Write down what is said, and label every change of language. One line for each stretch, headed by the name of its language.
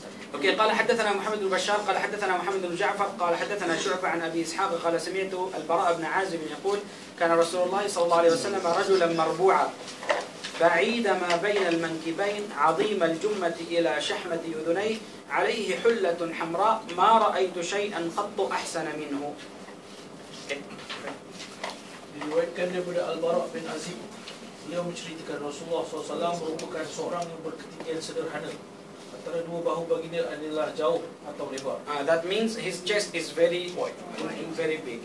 Arabic: Okay, قال حدثنا محمد البشار قال حدثنا محمد الجعفر قال حدثنا شعبة عن أبي إسحاق قال سمعت البراء بن عازب يقول كان رسول الله صلى الله عليه وسلم رجلا مربوعا بعيد ما بين المنكبين عظيم الجمة إلى شحمة أذنيه عليه حلة حمراء ما رأيت شيئا قط أحسن منه.
Malay: Diriwayatkan daripada Al-Bara' bin Azib, beliau menceritakan Rasulullah SAW merupakan seorang yang berketinggian sederhana. Antara dua bahu baginda adalah jauh atau lebar.
English: That means his chest is very wide, very big.